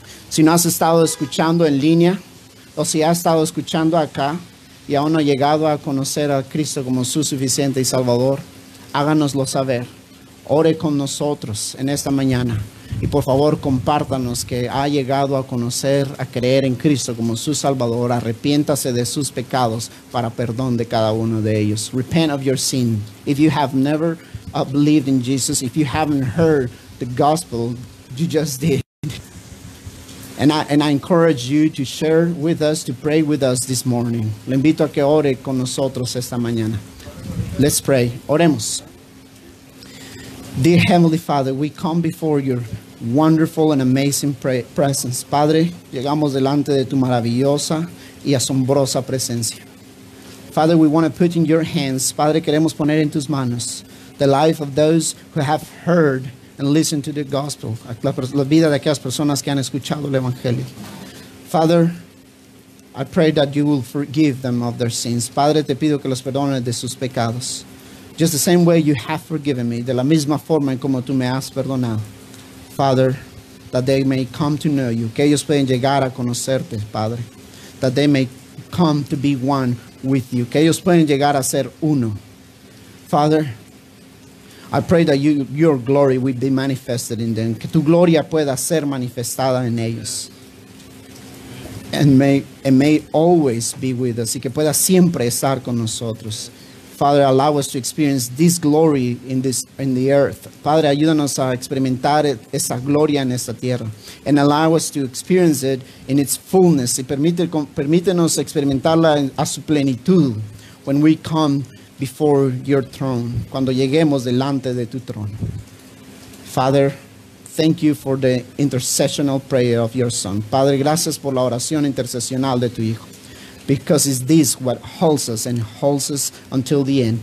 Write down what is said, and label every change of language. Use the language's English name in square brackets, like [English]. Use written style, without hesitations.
[Spanish] Si no has estado escuchando en línea, o si has estado escuchando acá y aún no ha llegado a conocer a Cristo como su suficiente y Salvador, háganoslo saber. Ore con nosotros en esta mañana y por favor compártanos que ha llegado a conocer, a creer en Cristo como su Salvador. Arrepiéntase de sus pecados para perdón de cada uno de ellos. [English] Repent of your sin. If you have never believed in Jesus, if you haven't heard the gospel, you just did. And I encourage you to share with us, to pray with us this morning. [Spanish] Le invito a que ore con nosotros esta mañana. [English] Let's pray. [Spanish] Oremos. [English] Dear Heavenly Father, we come before your wonderful and amazing presence. [Spanish] Padre, llegamos delante de tu maravillosa y asombrosa presencia. [English] Father, we want to put in your hands. [Spanish] Padre, queremos poner en tus manos [English] the life of those who have heard and listened to the gospel. [Spanish] La vida de aquellas personas que han escuchado el evangelio. [English] Father, I pray that you will forgive them of their sins. [Spanish] Padre, te pido que los perdones de sus pecados. [English] Just the same way you have forgiven me, [Spanish] de la misma forma en como tú me has perdonado. [English] Father, that they may come to know you. [Spanish] Que ellos puedan llegar a conocerte, Padre. [English] That they may come to be one with you. [Spanish] Que ellos puedan llegar a ser uno. [English] Father, I pray that your glory will be manifested in them. [Spanish] Que tu gloria pueda ser manifestada en ellos. [English] And may always be with us. [Spanish] Y que pueda siempre estar con nosotros. [English] Father, allow us to experience this glory in the earth. [Spanish] Padre, ayúdanos a experimentar esa gloria en esta tierra. [English] And allow us to experience it in its fullness. [Spanish] Y permítenos experimentarla a su plenitud [English] when we come before your throne, [Spanish] cuando lleguemos delante de tu trono. [English] Father, thank you for the intercessional prayer of your son. [Spanish] Padre, gracias por la oración intercesional de tu hijo. [English] Because is this what holds us and holds us until the end.